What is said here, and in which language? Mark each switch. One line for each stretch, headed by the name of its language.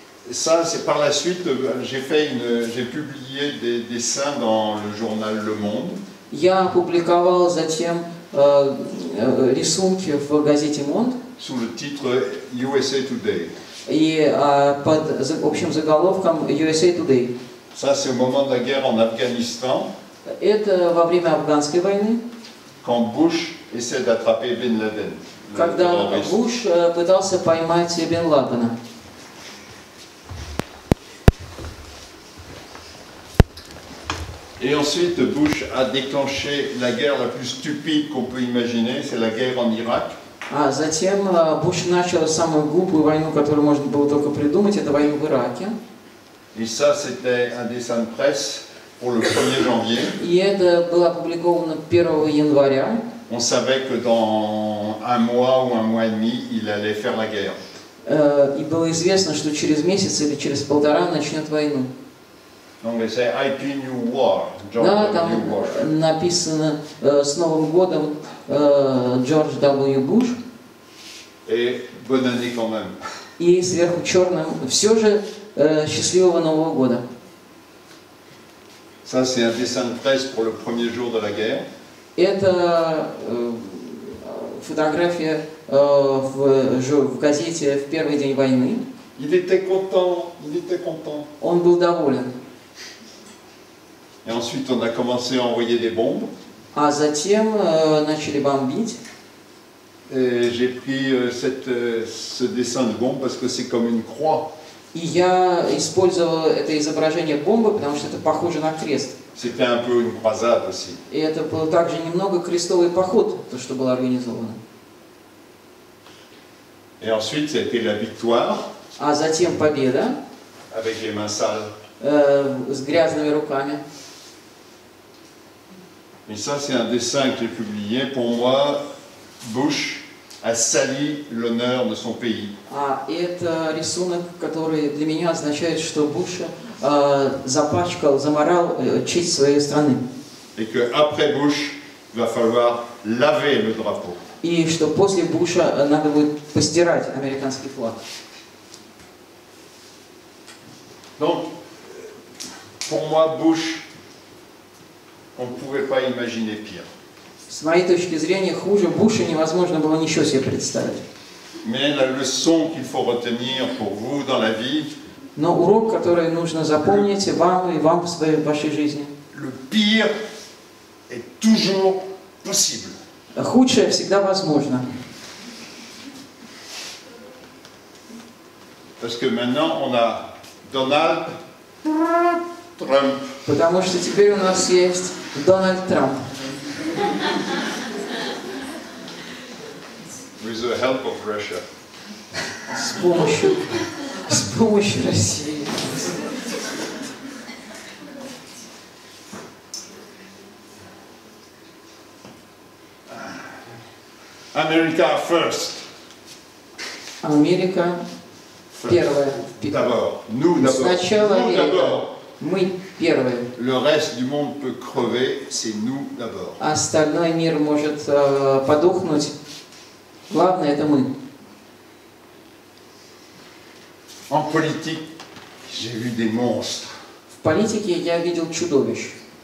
French: Ça, c'est par la suite, j'ai publié des dessins dans le journal Le Monde.
Russian: Я опубликовал затем рисунки в газете Monde.
French: Sous le titre USA Today.
Russian: И под общим заголовком USA Today.
French: Ça, c'est au moment de la guerre en Afghanistan.
Russian: Это во время афганской войны.
French: Quand Bush essaie d'attraper Bin Laden.
Russian: Когда Буш пытался поймать Бен Ладена.
French: Et ensuite, Bush a déclenché la guerre la plus stupide qu'on peut imaginer, c'est la guerre en Irak.
Russian: А затем Буш начал самую глупую войну, которую можно было только придумать, это войну в Ираке.
French: Et ça, c'était un dessin de presse pour le 1er janvier.
Russian: И это было опубликовано 1 января.
French: On savait que dans un mois ou un mois et demi, il allait faire la guerre.
Russian: И было известно, что через месяц или через полтора начнет войну.
English: Donc they say IP new war, George
Russian: да, Там
English: Bush.
Russian: Написано с Новым годом George W.
English: Bush.
French: Et bonne année quand même.
Russian: И сверху черным все же счастливого Нового года.
French: Ça c'est un dessin de presse pour le premier jour de la guerre.
Russian: Это фотография в газете в первый день войны.
French: Il était content, il était content.
Russian: Он был доволен.
French: Et ensuite, on a commencé à envoyer des bombes.
Russian: А затем начали бомбить.
French: Et j'ai pris ce dessin de bombe parce que c'est comme une croix.
Russian: И я использовал это изображение бомбы, потому что это похоже на крест.
French: C'était un peu une croisade aussi.
Russian: И это был также немного крестовый поход, то, что было организовано.
French: Et ensuite, c'était la victoire.
Russian: А затем победа.
French: Avec les mains sales.
Russian: С грязными руками.
French: Et ça, c'est un dessin qui est publié. Pour moi, Bush a sali l'honneur de son pays.
Russian: А это рисунок, который для меня означает, что Буша запачкал, заморал честь своей страны.
French: Et que après Bush, il va falloir laver le drapeau.
Russian: И что после Буша надо будет постирать американский флаг.
French: Donc, pour moi, Bush. On pouvait pas imaginer pire.
Russian: С моей точки зрения, хуже Буша невозможно было ничего себе представить.
French: Mais la leçon qu'il faut retenir pour vous dans la vie.
Russian: Но урок, который нужно запомнить вам и вам в своей вашей жизни.
French: Le pire est toujours possible.
Russian: Худшее всегда возможно.
French: Parce que maintenant on a Donald Trump.
Russian: Потому что теперь у нас есть Donald Trump.
English: With the help of Russia.
Russian: С помощью России.
English: America first.
Russian: Америка первая.
French: D'abord. Nous d'abord.
Russian: Сначала Америка. Мы первые.
French: Le reste du monde peut crever, c'est nous d'abord.
Russian: Остальной мир может подохнуть. Главное, это мы.
French: En politique, j'ai vu des monstres.
Russian: В политике я видел чудовищ.